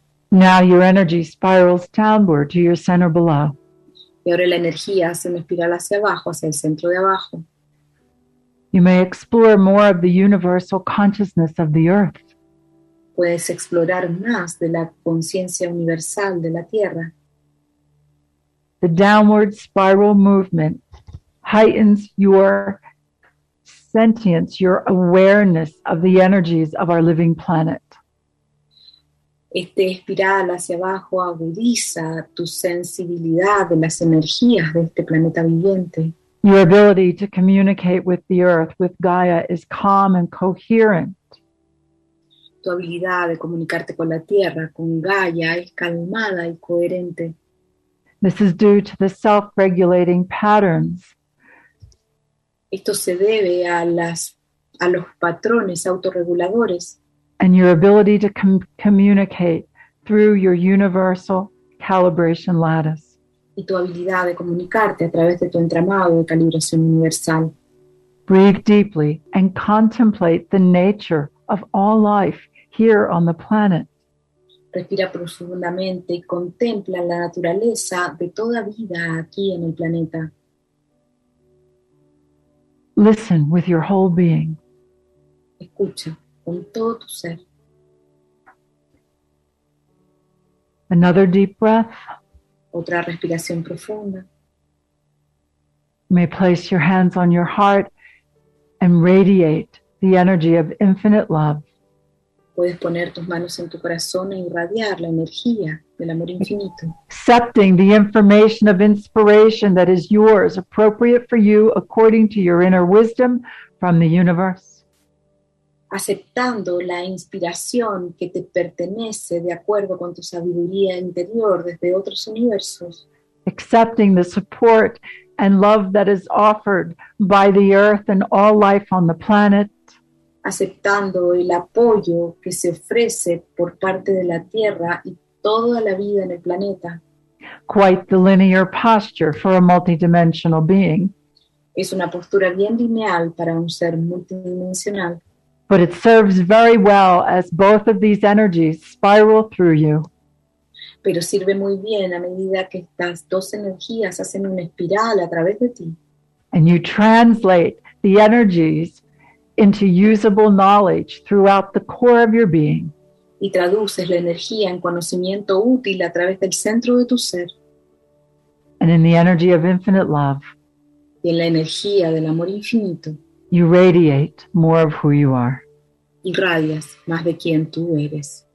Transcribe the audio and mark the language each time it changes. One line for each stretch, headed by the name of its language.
English: Now your energy spirals downward to your center below.
Spanish: Y ahora la energía se me espirala hacia abajo, hacia el centro de abajo.
English: You may explore more of the universal consciousness of the earth.
Spanish: Puedes explorar más de la conciencia universal de la Tierra.
English: The downward spiral movement heightens your sentience, your awareness of the energies of our living planet.
Spanish: Este espiral hacia abajo agudiza tu sensibilidad de las energías de este planeta viviente.
English: Your ability to communicate with the Earth, with Gaia, is calm and coherent.
Spanish: Tu habilidad de comunicarte con la Tierra, con Gaia, es calmada y coherente.
English: This is due to the self-regulating patterns.
Spanish: Esto se debe a los patrones autorreguladores.
English: And your ability to communicate through your universal calibration lattice.
Spanish: Y tu habilidad de comunicarte a través de tu entramado de calibración universal.
English: Breathe deeply and contemplate the nature of all life here on the planet.
Spanish: Respira profundamente y contempla la naturaleza de toda vida aquí en el planeta.
English: Listen with your whole being.
Spanish: Escucha con todo tu ser.
English: Another deep breath.
Spanish: Otra respiración profunda.
English: You may place your hands on your heart and radiate the energy of infinite love.
Spanish: Puedes poner tus manos en tu corazón e irradiar la energía del amor infinito.
English: Accepting the information of inspiration that is yours, appropriate for you, according to your inner wisdom from the universe.
Spanish: Aceptando la inspiración que te pertenece de acuerdo con tu sabiduría interior desde otros universos.
English: Accepting the support and love that is offered by the earth and all life on the planet.
Spanish: Aceptando el apoyo que se ofrece por parte de la Tierra y toda la vida en el planeta.
English: Quite the linear posture for a multidimensional being.
Spanish: Es una postura bien lineal para un ser multidimensional.
English: But it serves very well as both of these energies spiral through you.
Spanish: Pero sirve muy bien a medida que estas dos energías hacen una espiral a través de ti.
English: and you translate the energies into usable knowledge throughout the core of your being.
Spanish: Y traduces la energía en conocimiento útil a través del centro de tu ser.
English: And in the energy of infinite love,
Spanish: y en la energía del amor infinito,
English: you radiate more of who you are.
Spanish: Irradias más de quien tú eres.